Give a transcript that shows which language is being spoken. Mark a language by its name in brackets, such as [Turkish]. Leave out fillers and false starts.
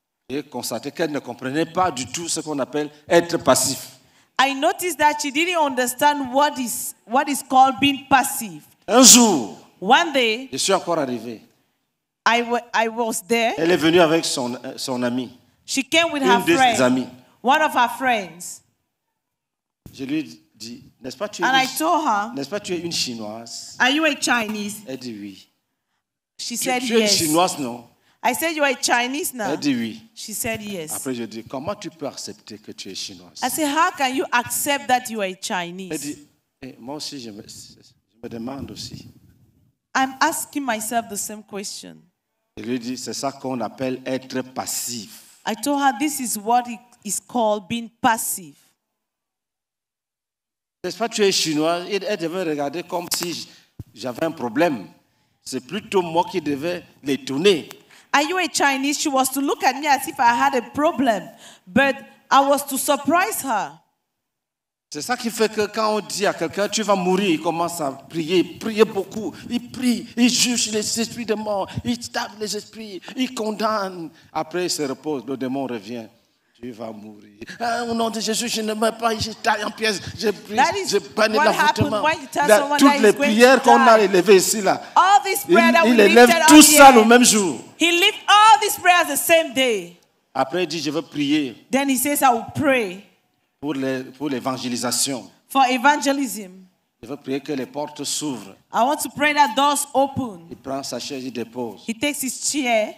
[French] J'ai constaté qu'elle ne comprenait pas du tout ce qu'on appelle être passif. [English] I noticed that she didn't understand what is called being passive. [French] Un jour, [English] one day, [French] je suis encore arrivé. [English] I was there. [French] Elle est venue avec son ami. [English] She came with [French] une [English] her friend. [French] Des amis. [English] One of her friends. [French] Je lui dis, n'est-ce pas tu es [English] and [French] une, [English] I told her, [French] n'est-ce pas tu es une Chinoise? [English] Are you a Chinese? [French] Elle dit oui. [English] She [French] tu, [English] said [French] tu [English] yes. [French] Tu es une Chinoise, non? [English] I said you are a Chinese now. [French] Elle dit oui. [English] She said yes. [French] Après je dis, comment tu peux accepter que tu es Chinoise? [English] I said, how can you accept that you are a Chinese? [French] Elle dit, hey, moi aussi je me demande aussi. [English] I'm asking myself the same question. [French] Je lui dis, c'est ça qu'on appelle être passif. [English] I told her this is what it is called being passive. [French] N'est-ce pas tu es chinois? Elle devait regarder comme si j'avais un problème. C'est plutôt moi qui devais l'étonner. [English] Are you a Chinese? She was to look at me as if I had a problem, but I was to surprise her. [French] C'est ça qui fait que quand on dit à quelqu'un tu vas mourir, il commence à prier, prier beaucoup, il prie, il juge les esprits de mort, il tape les esprits, il condamne. Après il se repose, le démon revient. Tu vas mourir. Au nom de Jésus, je ne meurs pas. Je taille en pièces. Je prie. Je bannis l'avortement. Toutes les prières qu'on a élevées ici, là, il élève tout ça le même jour. [English] He lifts all these prayers the same day. [French] Après, il dit, je veux prier. [English] Then he says, I will pray. [French] Pour l'évangélisation. [English] For evangelism. [French] Je veux prier que les portes s'ouvrent. [English] I want to pray that doors open. [French] Il prend sa chaise, il dépose. [English] He takes his chair.